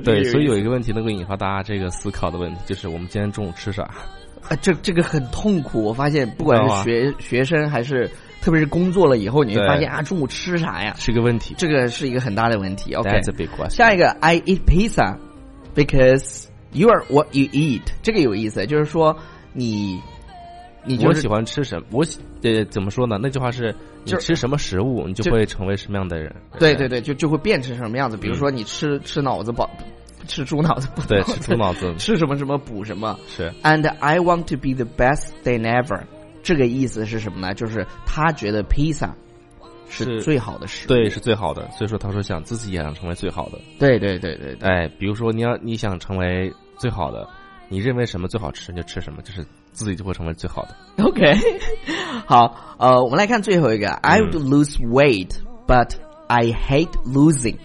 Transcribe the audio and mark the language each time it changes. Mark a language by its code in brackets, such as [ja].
[zh] 对，所以有一个问题能够引发大家这个思考的问题，就是我们今天中午吃啥？啊，这个很痛苦。我发现，不管是学生还是特别是工作了以后，你会发现啊，中午吃啥呀？是个问题。这个是一个很大的问题。 OK， [en] That's a big question. 下一个，I eat pizza because you are what you eat。 [zh] 这个有意思，就是说你就是、我喜欢吃什么？我怎么说呢？那句话是你吃什么食物，你就会成为什么样的人？对对对，就会变成什么样子？比如说你吃脑子饱，吃猪脑子不？对，吃猪脑子，吃什么什么补什么？是。 [en] And I want to be the best than ever。这个意思是什么呢？ [zh] 就是他觉得披萨是最好的食物，对，是最好的。所以说，他说想自己也想成为最好的。对对对对，哎，比如说你想成为最好的，你认为什么最好吃，你就吃什么，就是。自己就会成为最好的。 OK， 好，我们来看最后一个。 [en] I would lose weight, but I hate losing。